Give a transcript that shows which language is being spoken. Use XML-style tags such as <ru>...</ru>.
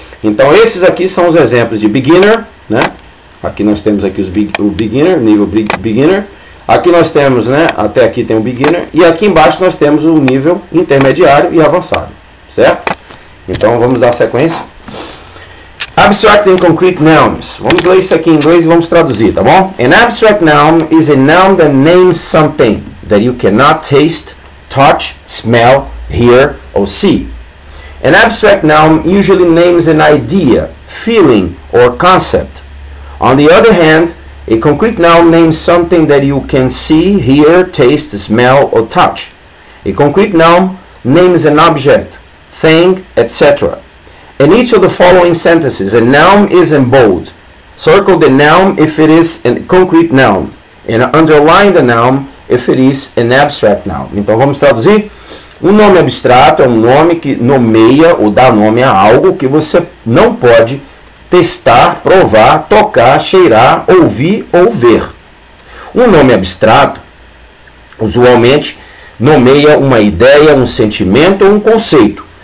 <pt>Então, esses aqui são os exemplos de beginner, né? Aqui nós temos aqui o beginner, nível beginner. Aqui nós temos, né? Até aqui tem o beginner. E aqui embaixo nós temos o nível intermediário e avançado, certo? Então, vamos dar sequência.</pt> <en>Abstract and concrete nouns.</en> <pt>Vamos ler isso aqui em inglês e vamos traduzir, tá bom?</pt> <en>An abstract noun is a noun that names something that you cannot taste, touch, smell, hear, or see. An abstract noun usually names an idea, feeling, or concept. On the other hand, a concrete noun names something that you can see, hear, taste, smell, or touch. A concrete noun names an object, thing, etc. In each of the following sentences, a noun is in bold. Circle the noun if it is a concrete noun, and underline the noun if it is an abstract noun.</en> <pt>Então vamos traduzir. Um nome abstrato é um nome que nomeia ou dá nome a algo que você não pode testar, provar, tocar, cheirar, ouvir ou ver. Um nome abstrato, usualmente, nomeia uma ideia, um sentimento ou um conceito.</pt>